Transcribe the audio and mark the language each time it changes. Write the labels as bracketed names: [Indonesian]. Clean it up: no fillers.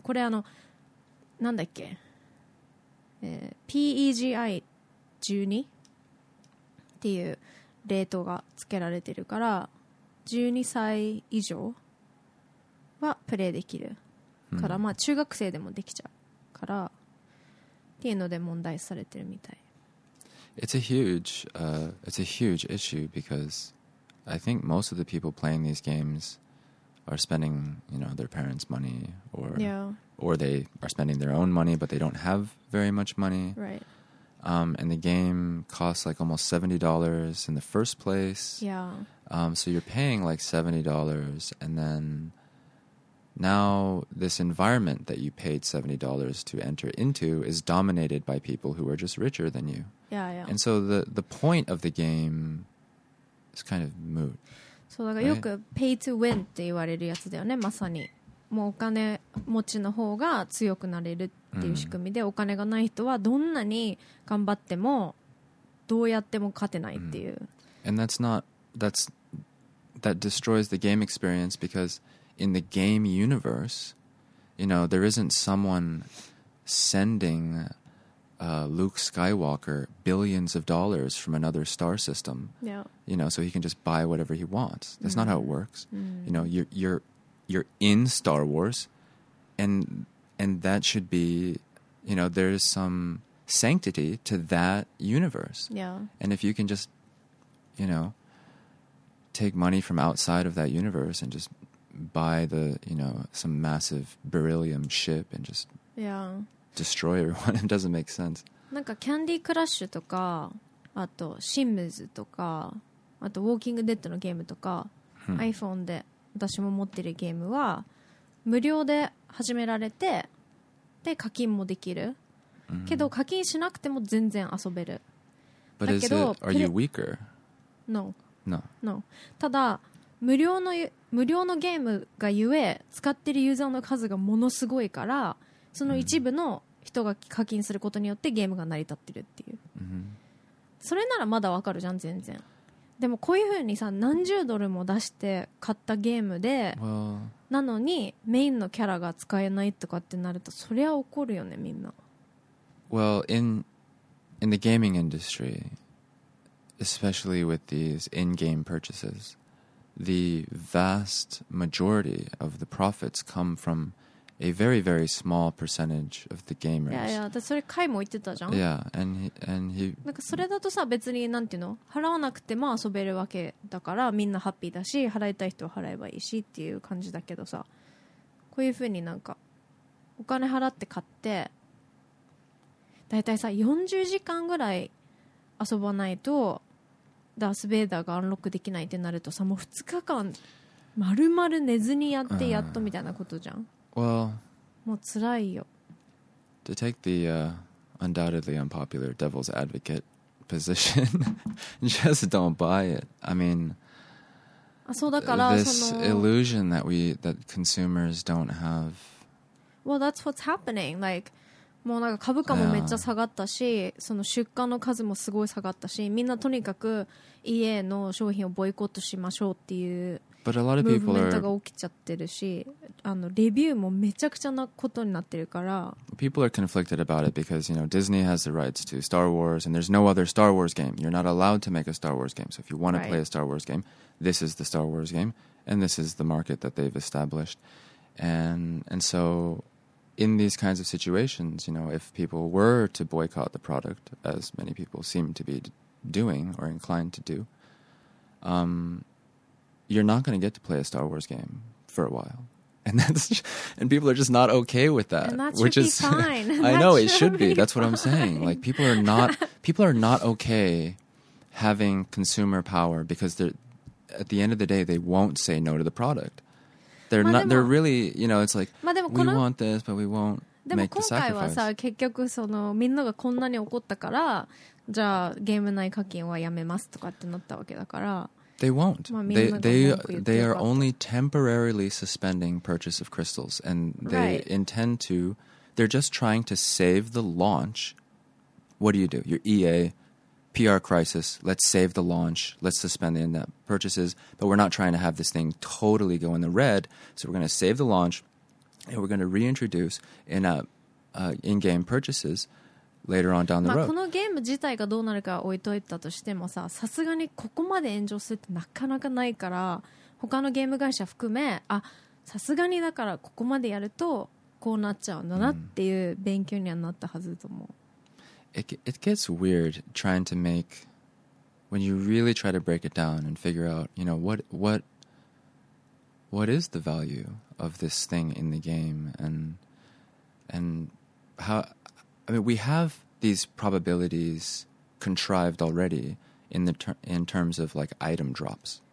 [Japanese] これなんだっけ、PEGI12 っていうレートがつけられてるから12歳以上はプレイできるから、うん、まあ中学生でもできちゃうからっていうので問題されてるみたい。 [English] It's a huge issue because I think most of the people playing these games are spending, you know, their parents' money or yeah Or they are spending their own money, but they don't have very much money. Right. And the game costs like almost $70 in the first place. Yeah. So you're paying like $70, and then now this environment that you paid $70 to enter into is dominated by people who are just richer than you. Yeah, yeah. And so the point of the game is kind of moot. [Japanese] そうだからよく [English] pay to win [Japanese] って言われるやつだよね。まさにもうお金持ちの方が強くなれるっていう仕組みで、お金がない人はどんなに頑張ってもどうやっても勝てないっていう。 [English] And that's not that destroys the game experience, because in the game universe, you know, there isn't someone sending Luke Skywalker billions of dollars from another star system. Yeah. You know, so he can just buy whatever he wants. That's not how it works. You know, you're in Star Wars, and that should be, you know, there's some sanctity to that universe. Yeah. And if you can just, you know, take money from outside of that universe and just buy the, you know, some massive beryllium ship and just destroy everyone, it doesn't make sense. [Japanese] なんかキャンディークラッシュとか、あとシムズとか、あとウォーキングデッドのゲームとか、iPhone で私も持ってるゲームは無料で始められて、で課金もできる。けど課金しなくても全然遊べる。 [English] But is it, are you weaker? No. No. No. [Japanese] ただ無料のゲームがゆえ使ってるユーザーの数がものすごいから、その一部の人が課金することによってゲームが成り立ってるっていう、それならまだわかるじゃん全然。でもこういうふうにさ、何十ドルも出して買ったゲームで、なのにメインのキャラが使えないとかってなると、そりゃ怒るよねみんな。 [English] Well, in the gaming industryespecially with these in-game purchases, the vast majority of the profits come from a very, very small percentage of the gamers. Yeah, yeah. That's what Kai [Japanese] も言ってたじゃん。 [English] Yeah, and he. [Japanese] なんかそれだとさ、別になんていうの、払わなくても遊べるわけだからみんなハッピーだし、払いたい人は払えばいいしっていう感じだけどさ、こういうふうになんかお金払って買って、だいたいさ40時間ぐらい遊ばないとダースベイダーがアンロックできないってなるとさ、もう2日間まるまる寝ずにやってやっとみたいなことじゃん。 [English] Well, [Japanese] もう辛いよ。 [English] To take the undoubtedly unpopular devil's advocate position, just don't buy it. I mean, [Japanese] あ、そうだから、 [English] this [Japanese] その [English] illusion that consumers don't have. Well, that's what's happening. Like, [Japanese] もうなんか株価もめっちゃ下がったし、その出荷の数もすごい下がったし、みんなとにかく EA の商品をボイコットしましょうっていうムーブメントが起きちゃってるし、あのレビューもめちゃくちゃなことになってるから。 [English] People are conflicted about it because, you know, Disney has the rights to Star Wars and there's no other Star Wars game. You're not allowed to make a Star Wars game. So if you want to play a Star Wars game, this is the Star Wars game and this is the market that they've established. And so... In these kinds of situations, you know, if people were to boycott the product, as many people seem to be doing or inclined to do, you're not going to get to play a Star Wars game for a while. And that's and people are just not okay with that. And that which is fine. I know it should be. That's what I'm saying. Like people are not okay having consumer power, because at the end of the day, they won't say no to the product. They're not, they're really, you know, it's like, we want this, but we won't make the sacrifice. [Japanese] でも今回はさ、結局その、みんながこんなに怒ったから、じゃあゲーム内課金はやめますとかってなったわけだから。 [English] They won't. They are only temporarily suspending purchase of crystals. And they intend to, they're just trying to save the launch. What do you do? Your EA, PR crisis, let's save the launch, let's suspend the in-app purchases, but we're not trying to have this thing totally go in the red, so we're going to save the launch, and we're going to reintroduce in-game purchases later on down the road. [Japanese] このゲーム自体がどうなるか置いといたとしてもさ、さすがにここまで炎上するってなかなかないから、他のゲーム会社含め、あ、さすがにだからここまでやるとこうなっちゃうんだなっていう勉強にはなったはずと思う。 [English] It gets weird trying to make, when you really try to break it down and figure out, you know, what is the value of this thing in the game, and how, I mean, we have these probabilities contrived already in terms of like item drops,